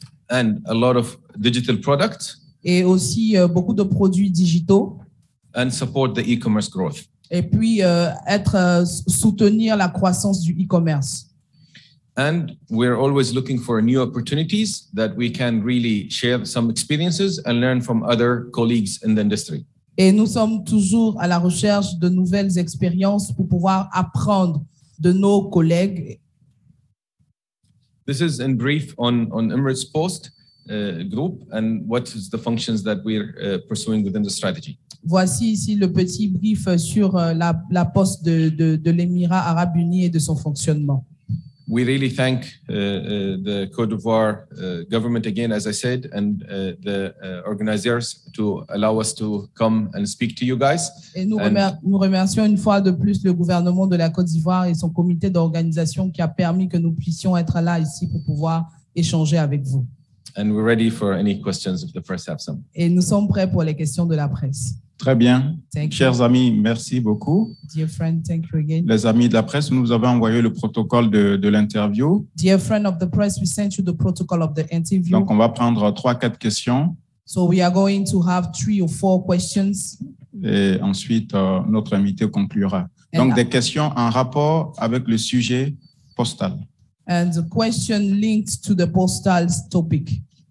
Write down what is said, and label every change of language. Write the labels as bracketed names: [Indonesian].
[English] And a lot of digital products. [French] Et aussi beaucoup de produits digitaux. [English] And support the e-commerce growth. [French] Et puis soutenir la croissance du e-commerce. [English] And we're always looking for new opportunities that we can really share some experiences and learn from other colleagues in the industry. [French] Et nous sommes toujours à la recherche de nouvelles expériences pour pouvoir apprendre de nos collègues. [English] This is in brief on Emirates Post Group and what is the functions that we're pursuing within the strategy. [French] Voici ici le petit brief sur la poste de l'Émirat Arabe Uni et de son fonctionnement. [English] We really thank the Côte d'Ivoire government again, as I said, and the organizers to allow us to come and speak to you guys. [French] Et nous remercions une fois de plus le gouvernement de la Côte d'Ivoire et son comité d'organisation qui a permis que nous puissions être là ici pour pouvoir échanger avec vous. [English] And we're ready for any questions if the press have some. [French] Et nous sommes prêts pour les questions de la presse. Très bien. Chers amis, merci beaucoup. [English] Dear friend, thank you again. [French] Les amis de la presse, nous vous avons envoyé le protocole de l'interview. [English] Dear friend of the press, we sent you the protocol of the interview. [French] Donc, on va prendre 3-4 questions. [English] So we are going to have 3 or 4 questions. [French] Et ensuite, notre invité conclura. Donc, des questions en rapport avec le sujet postal. [English] And the question linked to the postal topic.